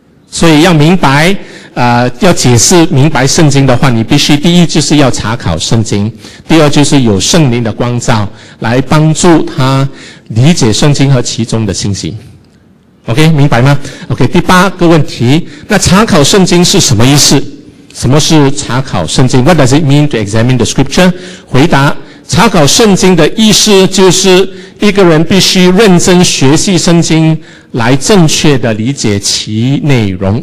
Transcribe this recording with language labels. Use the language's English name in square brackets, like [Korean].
[Chinese] 所以要明白要解释明白圣经的话，你必须第一就是要查考圣经，第二就是有圣灵的光照来帮助他理解圣经和其中的信息。 OK, 明白吗 ?OK, 第八个问题，那查考圣经是什么意思？什么是查考圣经 [English] ?What does it mean to examine the scripture? [Chinese] 回答，查考圣经的意思就是一个人必须认真学习圣经来正确的理解其内容。